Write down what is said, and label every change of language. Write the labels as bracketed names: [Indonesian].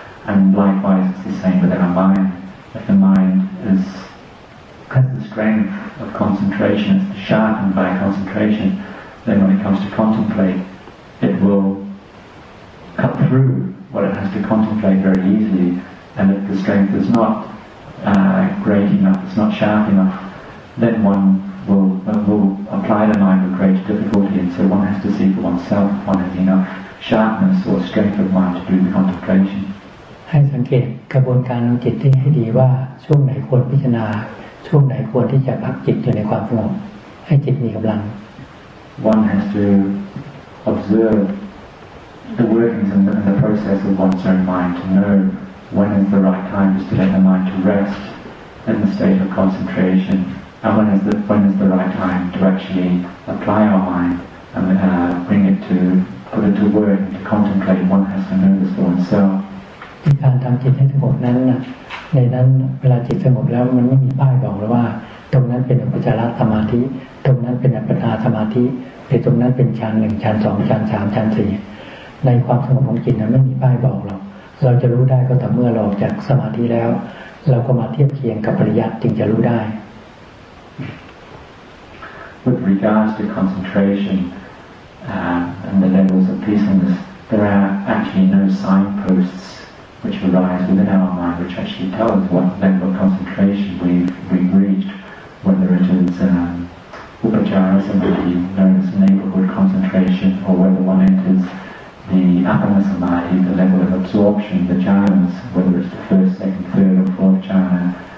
[English] And likewise, it's the same within our mind. If the mind has the strength of concentration, it's sharpened by concentration, then when it comes to contemplate, it will cut through what it has to contemplate very easily. And if the strength is not great enough, it's not sharp enough, then one will apply the mind with great difficulty, and so one has to see for oneself if one has enough sharpness or strength of mind to do the contemplation. [Thai] ให้สังเกตกระบวนการของจิตที่ให้ดีว่าช่วงไหนควรพิจารณาช่วงไหนควรที่จะพักจิตอยู่ในความสงบให้จิตมีกำลัง [English] One has to observe the workings and the process of one's own mind to know when is the right time to let the mind to rest in the state of concentration. And when is the right time to actually apply our mind and bring it to put it to work to contemplate? One has to know this for oneself. In [Thai] การทำจิตให้สงบนั้นนะในนั้นเวลาจิตสงบแล้วมันไม่มีป้ายบอกเลยว่าตรงนั้นเป็นอุปจารสมาธิตรงนั้นเป็นอัปปนาสมาธิหรือตรงนั้นเป็นฌานหนึ่งฌานสองฌานสามฌานสี่ในความสงบของจิตนั้นไม่มีป้ายบอกหรอกเราจะรู้ได้ก็แต่เมื่อเราออกจากสมาธิแล้วเราก็มาเทียบเคียงกับปริยัติจึงจะรู้ได้ [English] With regards to concentration and the levels of peacefulness, there are actually no signposts which arise within our mind which actually tell us what level of concentration we've reached, whether it is upajara samadhi, known as neighborhood concentration, or whether one enters the apana samadhi, the level of absorption, the jhanas, whether it's the first, second, third, or fourth jhana.